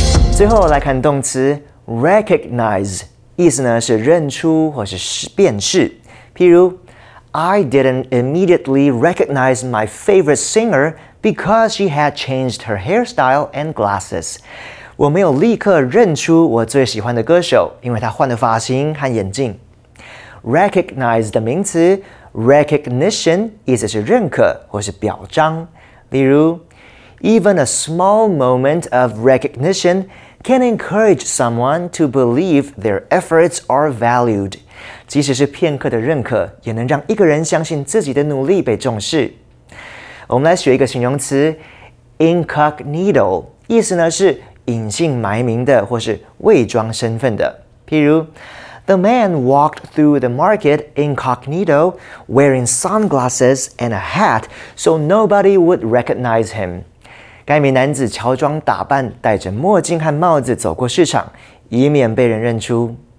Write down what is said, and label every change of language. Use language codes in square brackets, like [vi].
[zh] 最后来看动词 recognize， 意思呢是认出或是辨识。譬如 [en] ，I didn't immediately recognize my favorite singer because she had changed her hairstyle and glasses。 [zh] 我没有立刻认出我最喜欢的歌手，因为她换了发型和眼镜。 Recognize 的名词 recognition 意思是认可或是表彰。例如 [en] ，Even a small moment of recognition can encourage someone to believe their efforts are valued。 [zh] 即使是片刻的认可，也能让一个人相信自己的努力被重视。我们来学一个形容词 incognito， 意思呢是隐姓埋名的或是伪装身份的。譬如 [en] ，The man walked through the market incognito, wearing sunglasses and a hat, so nobody would recognize him。 [zh] 该名男子乔装打扮，戴着墨镜和帽子走过市场，以免被人认出。